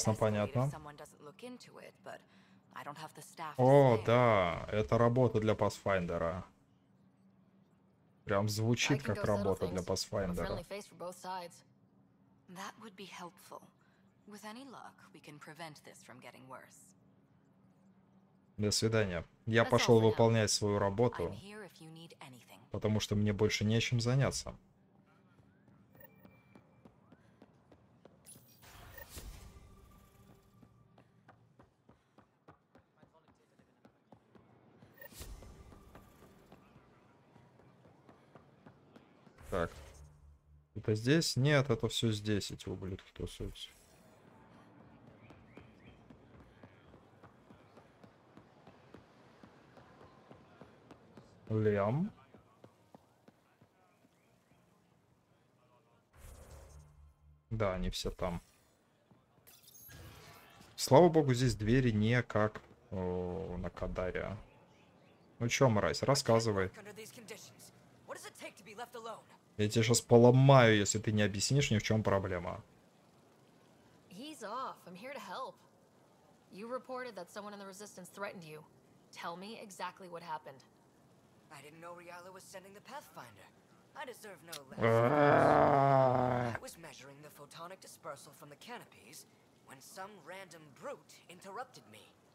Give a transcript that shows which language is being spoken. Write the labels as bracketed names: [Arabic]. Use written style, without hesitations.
[English] someone doesn't look into it, but I don't have the staff. [Russian] О, да, это работа для Pathfinder'а. Прям звучит как работа для Pathfinder'а. [English] Friendly face for both sides. That would be helpful. With any luck, we can prevent this from getting worse. [Russian] До свидания. Я пошел выполнять свою работу, потому что мне больше нечем заняться. Так. Это здесь? Нет, это все здесь, эти ублюдки тусуются. Лем. Да, они все там. Слава богу, здесь двери не как на Кадаре. Ну чё, мразь, рассказывай. Я тебя сейчас поломаю, если ты не объяснишь мне, в чем проблема. [English] He's off. I'm here to help. You reported that someone in the resistance threatened you. Tell me exactly what happened. I didn't know Riala was sending the Pathfinder. I deserve no less. I was measuring the photonic dispersal from the canopies when some random brute interrupted me.